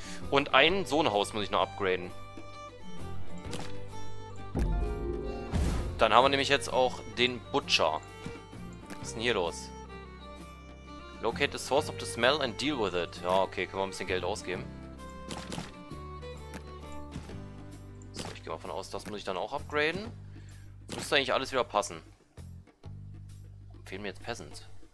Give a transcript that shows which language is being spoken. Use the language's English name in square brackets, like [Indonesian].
[German] Und ein Sohnhaus muss ich noch upgraden. Dann haben wir nämlich jetzt auch den Butcher. Was ist denn hier los? [English] Locate the source of the smell and deal with it. [German] Ja, okay, können wir ein bisschen Geld ausgeben. So, ich gehe mal von aus, das muss ich dann auch upgraden. Müsste eigentlich alles wieder passen. Fehlen mir jetzt Peasants.